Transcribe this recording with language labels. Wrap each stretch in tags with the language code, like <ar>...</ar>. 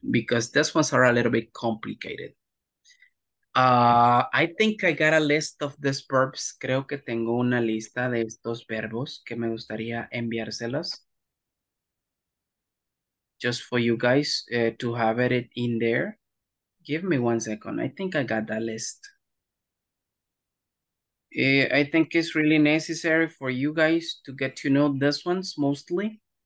<en>Because these ones are a little bit complicated. I think I got a list of these verbs.</en> <es>Creo que tengo una lista de estos verbos que me gustaría enviárselos.</es> <en>Just for you guys to have it in there. Give me 1 second. I think I got that list. I think it's really necessary for you guys to get to know this ones mostly.</en>